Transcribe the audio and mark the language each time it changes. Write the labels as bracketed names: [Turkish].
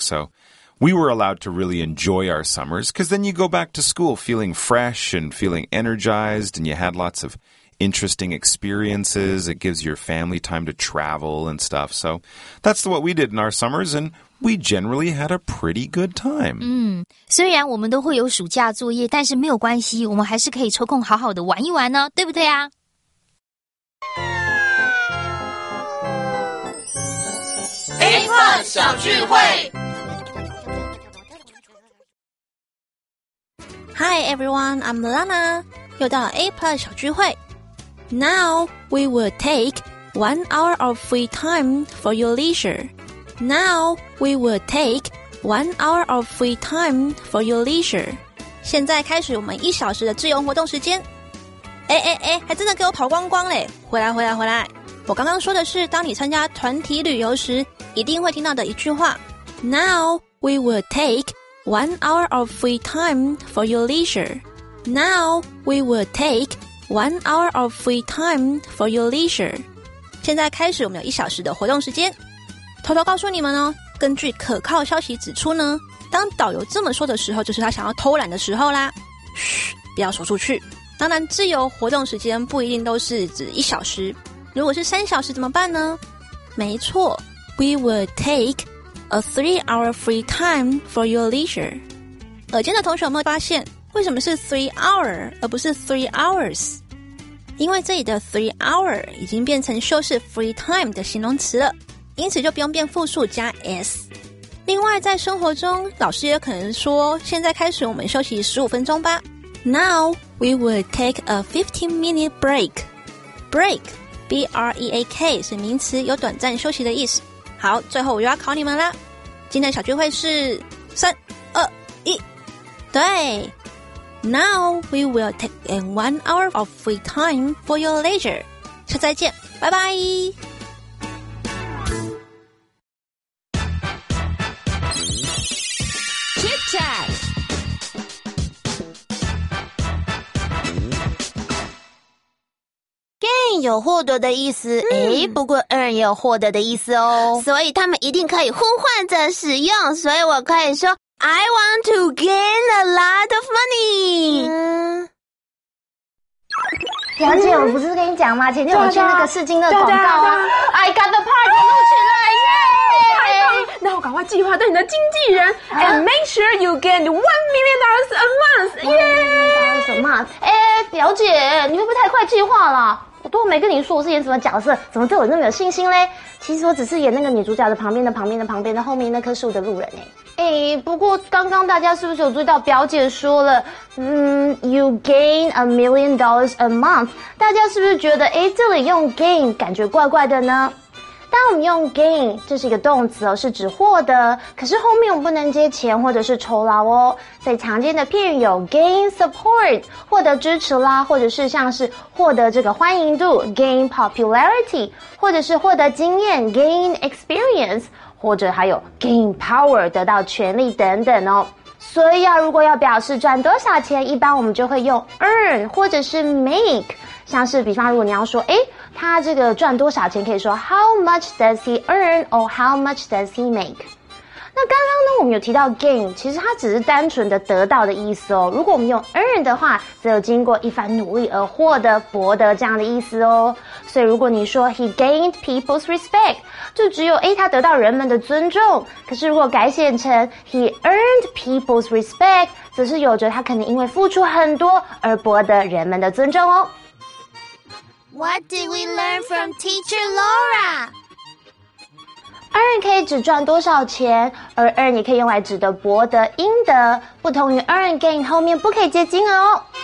[English] So we were allowed to really enjoy our summers because then you go back to school feeling fresh and feeling energized and you had lots of... interesting experiences. It gives your family time to travel and stuff. So that's what we did in our summers, and we generally had a pretty good time. [Chinese] 虽然我们都会有暑假作业，但是没有关系，我们还是可以抽空好好的玩一玩呢，对不对啊？ A-Plus小聚会。 [English] Hi everyone, I'm Lana. [Chinese] 又到 A-Plus 小聚会。 [English] Now, we will take 1 hour of free time for your leisure. Now, we will take 1 hour of free time for your leisure. [Chinese] 现在开始我们一小时的自由活动时间。哎哎哎，还真的给我跑光光嘞！回来回来回来！我刚刚说的是当你参加团体旅游时一定会听到的一句话。 [English] Now, we will take 1 hour of free time for your leisure. Now, we will take 1 hour of free time for your leisure. [Chinese] 现在开始我们有一小时的活动时间。偷偷告诉你们哦，根据可靠消息指出呢，当导游这么说的时候，就是他想要偷懒的时候啦。嘘，不要说出去。当然自由活动时间不一定都是指一小时。如果是3小时怎么办呢？没错， [English] We will take a 3 hour free time for your leisure. [Chinese] 耳尖的同学有没有发现为什么是 3 hour 而不是 3 hours？因为这里的 3 hour 已经变成修饰 free time 的形容词了，因此就不用变复数加 s。另外，在生活中，老师也可能说：“现在开始，我们休息15分钟吧。” [English] Now we will take a 15-minute break. Break, b r e a k [Chinese] 是名词，有短暂休息的意思。好，最后我又要考你们了。今天的小聚会是3、2、1，对。 [English] Now we will take in 1 hour of free time for your leisure. [Chinese] 下次再见，拜拜。 [English] Chit chat. [Chinese] Gain 有获得的意思，不过 earn 也有获得的意思哦，所以他们一定可以互换着使用，所以我可以说 [English] I want to gain a lot of money. [Chinese] 表姐，我不是跟你讲吗？前天我去那个试镜的广告啊 [English] ，I got the part [Chinese] 录取了，耶！太棒！那我赶快计划对你的经纪人 [English] ，and make sure you gain $1 million a month, [Chinese] 耶！表姐，你会不会太快计划了？我都没跟你说我是演什么角色，怎么对我那么有信心嘞？其实我只是演那个女主角的旁边的旁边的旁边的后面那棵树的路人哎。不过刚刚大家是不是有注意到表姐说了， [English] you gain $1 million a month？ [Chinese] 大家是不是觉得这里用 gain 感觉怪怪的呢？当我们用 gain， 这是一个动词哦，是指获得，可是后面我们不能接钱或者是酬劳哦。最常见的片语有 [English] gain support， [Chinese] 获得支持啦，或者是像是获得这个欢迎度 [English] gain popularity， [Chinese] 或者是获得经验 [English] gain experience， [Chinese] 或者还有 [English] gain power， [Chinese] 得到权力等等哦。所以啊，如果要表示赚多少钱，一般我们就会用 earn 或者是 make。像是比方，如果你要说，哎，他这个赚多少钱，可以说 [English] how much does he earn or how much does he make。 [Chinese] 那刚刚呢，我们有提到 gain， 其实它只是单纯的得到的意思哦。如果我们用 earn 的话，则有经过一番努力而获得、博得这样的意思哦。所以如果你说 [English] he gained people's respect， [Chinese] 就只有诶他得到人们的尊重。可是如果改写成 [English] he earned people's respect， [Chinese] 则是有着他可能因为付出很多而博得人们的尊重哦。 [English] What did we learn from Teacher Laura？ [Chinese] earn 可以指赚多少钱，而 earn 也可以用来指的博得、应得，不同于 earn gain 后面不可以接金额哦。